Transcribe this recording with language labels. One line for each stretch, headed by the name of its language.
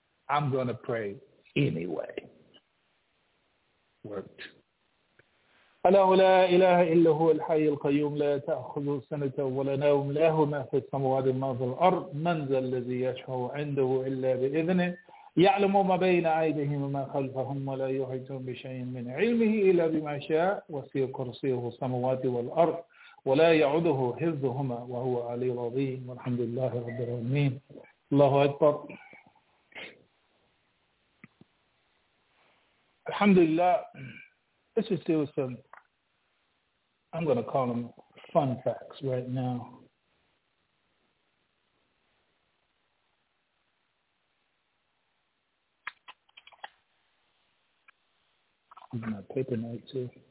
English: Nope. I'm going to pray anyway. Worked.
Arabic: الله لا إله إلا هو الحي القيوم لا تأخذ سنة ولا نوم له ما في السماوات وما في الأرض من ذا الذي يشفع عنده إلا بإذنه يعلم ما بين أيديهم وما خلفهم ولا يحيطون بشيء من علمه إلا بما شاء وسع كرسيه السماوات والأرض ولا يعوده حفظهما وهو العلي العظيم والحمد لله رب العالمين الله أكبر الحمد لله.
English: Let's just deal with some, I'm going to call them fun facts right now. Use my paper knife too.